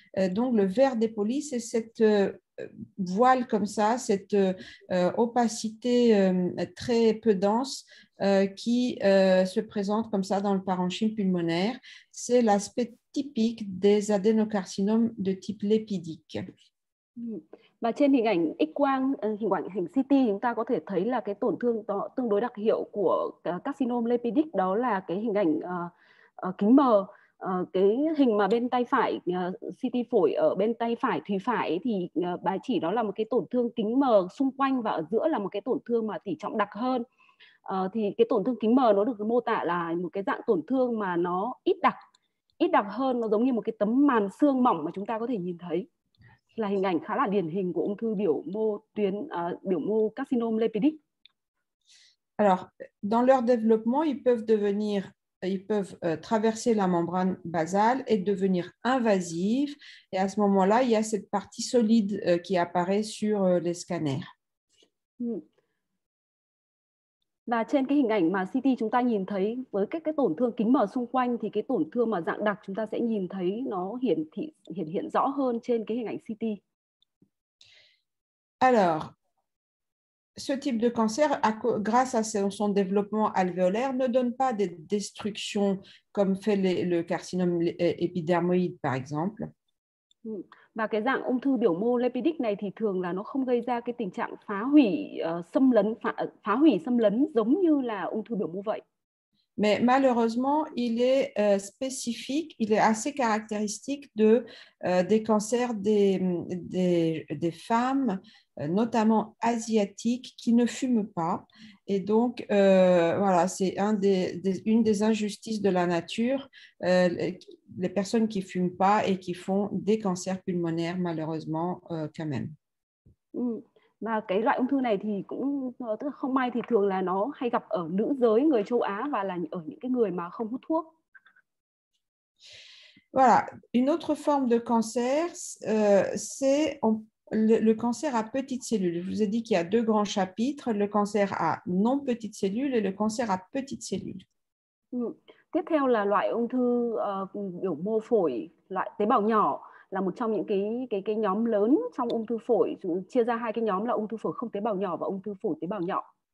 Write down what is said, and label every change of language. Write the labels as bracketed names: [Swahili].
[French] Donc, le vert dépoli, c'est cette voile comme ça, cette opacité très peu dense qui se présente comme ça dans le parenchyme pulmonaire. C'est l'aspect typique des adénocarcinomes de type lipidique. [Vietnamese] Và trên hình ảnh X-quang, hình ảnh hình CT, chúng ta có thể thấy là cái tổn thương tương đối đặc hiệu của carcinome lipidic đó là cái hình ảnh kính mờ. Cái hình mà bên tay phải CT phổi ở bên tay phải Thùy Phải thì bà chỉ đó là một cái tổn thương kính mờ xung quanh và ở giữa là một cái tổn thương mà tỷ trọng đặc hơn. Thì cái tổn thương kính mờ nó được mô tả là một cái dạng tổn thương mà nó ít đặc. ít đặc hơn, nó giống như một cái tấm màn xương mỏng mà chúng ta có thể nhìn thấy, là hình ảnh khá là điển hình của ung thư biểu mô carcinome lipidique. [French] Alors, dans leur développement, ils peuvent traverser la membrane basale et devenir invasives. Et à ce moment-là, il y a cette partie solide qui apparaît sur les scanners. [Vietnamese] Và trên cái hình ảnh mà CT chúng ta nhìn thấy với các cái tổn thương kính mở xung quanh thì cái tổn thương mà dạng đặc chúng ta sẽ nhìn thấy nó hiển thị hiển hiện rõ hơn trên cái hình ảnh CT. [French] Alors, ce type de cancer, grâce à son développement alvéolaire, ne donne pas des destructions comme fait le carcinome épidermoïde, par exemple. [Vietnamese] Và cái dạng ung thư biểu mô lipidique này thì thường là nó không gây ra cái tình trạng phá hủy xâm lấn phá hủy xâm lấn giống như là ung thư biểu mô vậy. [French] Mais malheureusement, il est spécifique, il est assez caractéristique de des cancers des femmes, notamment asiatiques, qui ne fument pas. Et donc, voilà, c'est une des injustices de la nature, les personnes qui fument pas et qui font des cancers pulmonaires, malheureusement, quand même. [Vietnamese] Và cái loại ung thư này thì cũng không may thì thường là nó hay gặp ở nữ giới, người châu Á và là ở những cái người mà không hút thuốc. [French] Voilà, une autre forme de cancer, c'est le cancer à petites cellules. Je vous ai dit qu'il y a deux grands chapitres, le cancer à non petites cellules et le cancer à petites cellules. [Vietnamese] Tiếp theo là loại ung thư biểu mô phổi, loại tế bào nhỏ. Là một trong những cái nhóm lớn trong ung thư phổi, chia ra hai cái nhóm là ung thư phổi không tế bào nhỏ và ung thư phổi tế bào nhỏ.